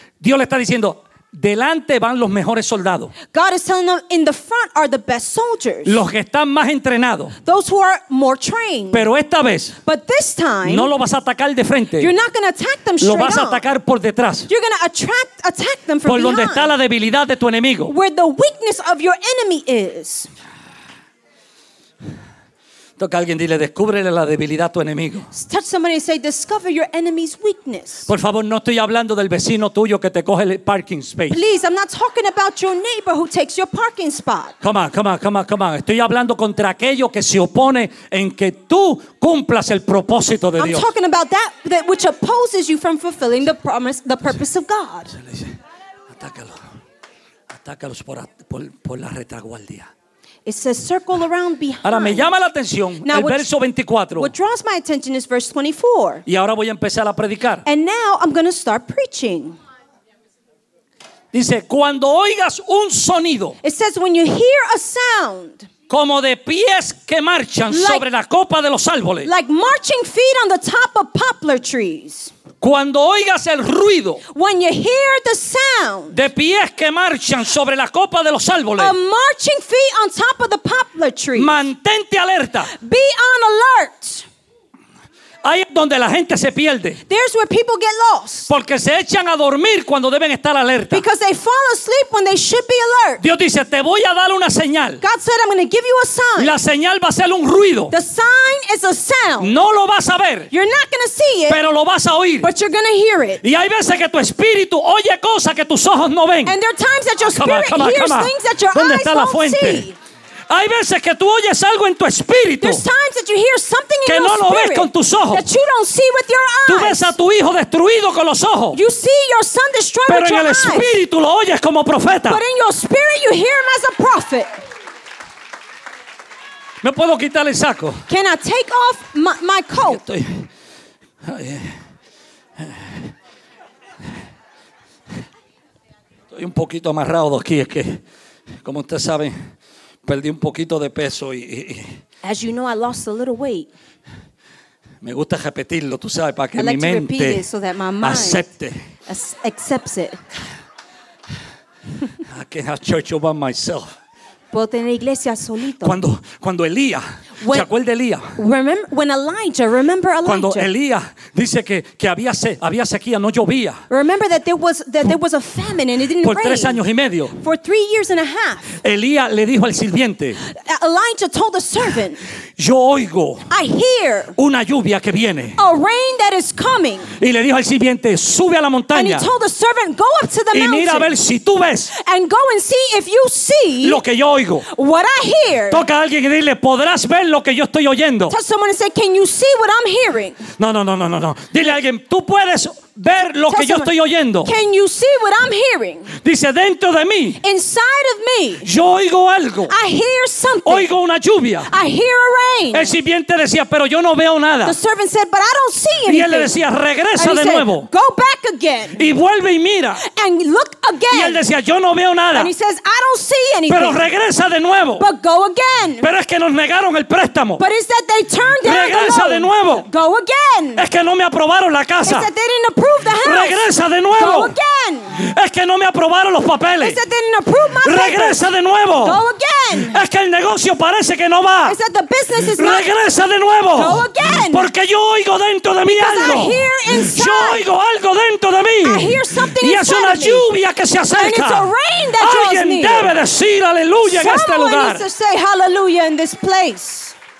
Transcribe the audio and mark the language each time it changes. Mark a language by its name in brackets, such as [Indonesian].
[Spanish] Dios le está diciendo, delante van los mejores soldados. [English] God is telling them in the front are the best soldiers. [Spanish] Los que están más entrenados. [English] Those who are more trained. [Spanish] Pero esta vez. [English] But this time. [Spanish] No lo vas a atacar de frente. [English] You're not going to attack them straight on. [Spanish] Lo vas a atacar por detrás. [English] You're going to attack them from behind. [Spanish] donde está la debilidad de tu enemigo. [English] Where the weakness of your enemy is. [Spanish] Toca a alguien y dile, descúbrele la debilidad a tu enemigo. [English] Touch somebody and say, discover your enemy's weakness. [Spanish] Por favor, no estoy hablando del vecino tuyo que te coge el [English] parking space. Please, I'm not talking about your neighbor who takes your parking spot. Come on. [Spanish] Estoy hablando contra aquello que se opone en que tú cumplas el propósito de Dios. [English] I'm talking about that which opposes you from fulfilling the promise, the purpose of God. [Spanish] Atácalo. Atácalos por la retaguardia. [English] It says circle around behind. [Spanish] Ahora me llama la atención [English] now, [Spanish] el verso 24. [English] What draws my attention is verse 24. [Spanish] Y ahora voy a empezar a predicar. [English] And now I'm going to start preaching. [Spanish] Dice, cuando oigas un sonido. [English] It says when you hear a sound. [Spanish] Como de pies que marchan [English] like, [Spanish] sobre la copa de los árboles. [English] Like marching feet on the top of poplar trees. [Spanish] Cuando oigas el ruido. [English] When you hear the sound. [Spanish] De pies que marchan sobre la copa de los árboles. [English] A marching feet on top of the poplar trees. [Spanish] Mantente alerta. [English] Be on alert. [Spanish] Ahí es donde la gente se pierde. [English] There's where people get lost. [Spanish] Porque se echan a dormir cuando deben estar alerta. [English] Because they fall asleep when they should be alert. [Spanish] Dios dice, te voy a dar una señal. [English] God said, I'm going to give you a sign. [Spanish] La señal va a ser un ruido. [English] The sign is a sound. [Spanish] No lo vas a ver. [English] You're not going to see it. [Spanish] Pero lo vas a oír. [English] But you're going to hear it. [Spanish] Y hay veces que tu espíritu oye cosas que tus ojos no ven. [English] And there are times that your spirit hears things that your eyes don't see. [Spanish] Hay veces que tú oyes algo en tu espíritu que no lo ves con tus ojos. [English] That you don't see with your eyes. [Spanish] Tú ves a tu hijo destruido con los ojos. [English] You see your son destroyed [Spanish] pero [English] with [Spanish] en [English] your [Spanish] el espíritu [English] eyes. [Spanish] Lo oyes como profeta. [English] But in your spirit you hear him as a prophet. [Spanish] ¿Me puedo quitar el saco? [English] Can I take off my coat? [Spanish] Yo estoy... estoy un poquito amarrado aquí. Es que, como ustedes saben, perdí un poquito de peso y [English] as you know, I lost a little weight. [Spanish] Me gusta repetirlo, tú sabes, para que mi mente [English] so that my mind [Spanish] acepte. [English] Accepts it. I can have church all by myself. [Spanish] Puedo tener iglesia solito. Cuando Elías [English] When, [Spanish] ¿se acuerda Elías? [English] Remember Elijah. [Spanish] Cuando Elías dice que había sed, había sequía, no llovía. [English] Remember that there was a famine and it didn't [Spanish] por [English] rain. [Spanish] Por 3 años y medio. [English] For 3 years and a half. [Spanish] Elías le dijo al sirviente. [English] Elijah told the servant. [Spanish] Yo oigo. [English] I hear. [Spanish] Una lluvia que viene. [English] A rain that is coming. [Spanish] Y le dijo al sirviente, sube a la montaña. [English] And he told the servant, go up to the mountain. [Spanish] Y mira a ver si tú ves. [English] And go and see if you see. [Spanish] Lo que yo oigo. [English] What I hear. [Spanish] Toca a alguien y dile, podrás ver lo que yo estoy oyendo. [English] Tell someone and say, can you see what I'm hearing? [Spanish] No. Dile a alguien, tú puedes ver lo [English] tell [Spanish] que yo estoy oyendo. [English] Can you see what I'm hearing? [Spanish] Dice, dentro de mí. [English] Inside of me. [Spanish] Yo oigo algo. [English] I hear something. [Spanish] Oigo una lluvia. [English] I hear a rain. [Spanish] El sirviente decía, pero yo no veo nada. [English] The servant said, but I don't see anything. [Spanish] Y él le decía, regresa de nuevo. [English] Go back again. [Spanish] Y vuelve y mira. [English] And look again. [Spanish] Y él decía, yo no veo nada. [English] And he says, I don't see anything. [Spanish] Pero regresa de nuevo. [English] But go again. [Spanish] Pero es que nos negaron el préstamo. [English] But it's that they turned down. [Spanish] Regresa de nuevo. [English] Go again. [Spanish] Es que no me aprobaron la casa. [English] It's that they didn't approve the house. [Spanish] Regresa de nuevo. [English] Go again. [Spanish] Es que no me aprobaron los papeles. [English] It's that they didn't approve my papers. [Spanish] Regresa de nuevo. [English] Go again. [Spanish] Es que el negocio parece que no va. [English] It's that the business is not. [Spanish] Regresa de nuevo. [English] Go again. [Spanish] Porque yo oigo dentro de mí algo. [English] Because I hear inside. [Spanish] Yo oigo algo dentro de mí. [English] I hear something inside. [Spanish] Y es una lluvia que se acerca. [English] And it's a rain that draws near. [Spanish] Alguien debe decir aleluya en este lugar. [English] Someone needs to say hallelujah in this place.